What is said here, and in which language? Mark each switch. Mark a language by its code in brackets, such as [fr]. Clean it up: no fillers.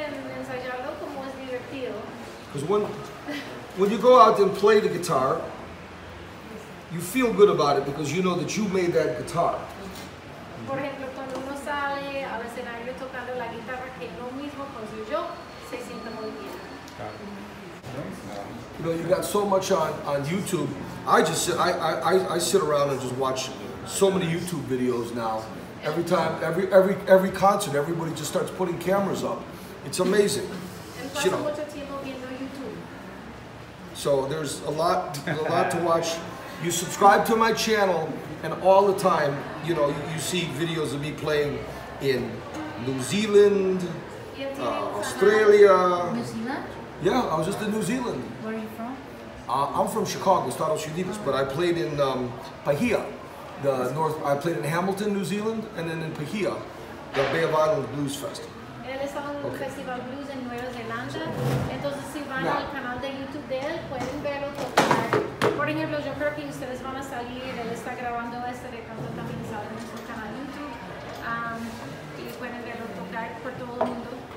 [en] Because when you go out and play the guitar, you feel good about it because you know that you made that guitar. [es] Por ejemplo, cuando uno sale al escenario tocando la guitarra que uno mismo construyó, se siente muy bien. [en] You know, you got so much on YouTube. I just I sit around and just watch so many YouTube videos now. Every time, every concert, everybody just starts putting cameras up. It's amazing. And you know, YouTube. So there's a lot to watch. You subscribe to my channel, and all the time, you know, you see videos of me playing in New Zealand, Australia. Yeah, I was just in New Zealand. Where are you from? I'm from Chicago, Estados Unidos, but I played in Bahia, the north. I played in Hamilton, New Zealand, and then in Bahia, the Bay of Islands Blues Festival. [es] Él estaba en un festival blues en Nueva Zelanda. Entonces, si van al canal de YouTube de él, pueden verlo tocar. Por ejemplo, yo creo que ustedes van a salir. Él está grabando este de canto también, sale en su canal YouTube. Y pueden verlo tocar por todo el mundo.